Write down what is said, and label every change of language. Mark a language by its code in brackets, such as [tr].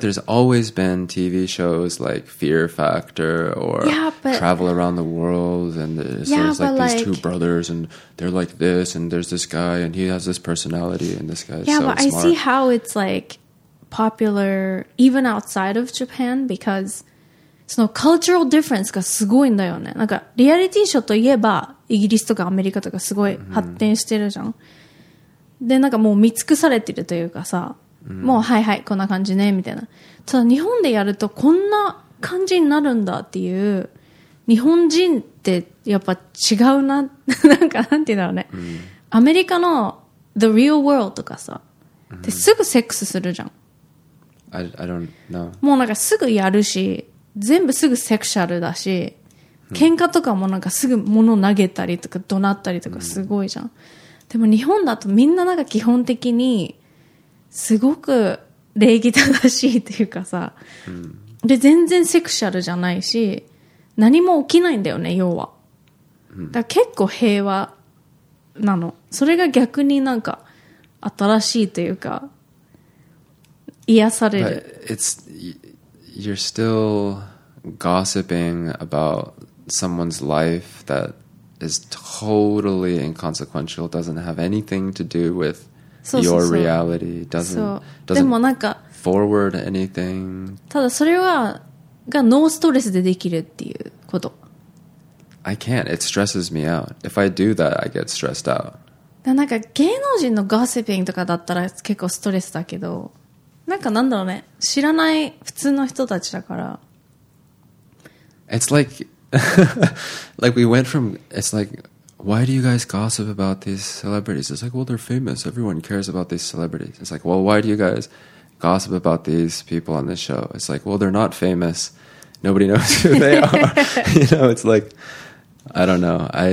[en] There's always been TV shows like Fear Factor or Travel Around the World. And there's these two brothers and they're like this and there's this guy and he has this personality and this guy's so smart. Yeah, but I see how it's like popular even outside of Japan because [ja] その cultural difference がすごいんだよね。なんかリアリティショーといえばイギリスとかアメリカとかすごい発展してるじゃん。で、なんかもう見尽くされてるというかさ。もうはいはいこんな感じねみたいな。ただ日本でやるとこんな感じになるんだっていう日本人ってやっぱ違うななんかなんて言うんだろうね、うん、アメリカの The Real World とかさ、うん、ですぐセックスするじゃん [en] I don't know [ja] もうなんかすぐやるし全部すぐセクシャルだし、喧嘩とかもなんかすぐ物投げたりとか怒鳴ったりとかすごいじゃん。でも日本だとみんななんか基本的にすごく礼儀正しいっていうかさ、で全然セクシャルじゃないし何も起きないんだよね、要は。だから結構平和なの。それが逆になんか新しいというか癒される。 [en] But it's you're still gossiping about someone's life that is totally inconsequential, doesn't have anything to do with your reality, doesn't forward anything. [ja] ただそれはがノーストレスでできるっていうこと。 [en] I can't. It stresses me out. If I do that, I get stressed out. [ja] なんか芸能人のガーシピングとかだったら結構ストレスだけど、なんかなんだろうね、知らない普通の人たちだから。 [en] It's like, like we went from, it's like, why do you guys gossip about these celebrities? It's like, well, they're famous. Everyone cares about these celebrities. It's like, well, why do you guys gossip about these people on this show? It's like, well, they're not famous. Nobody knows who they are. You know, it's like, I don't know.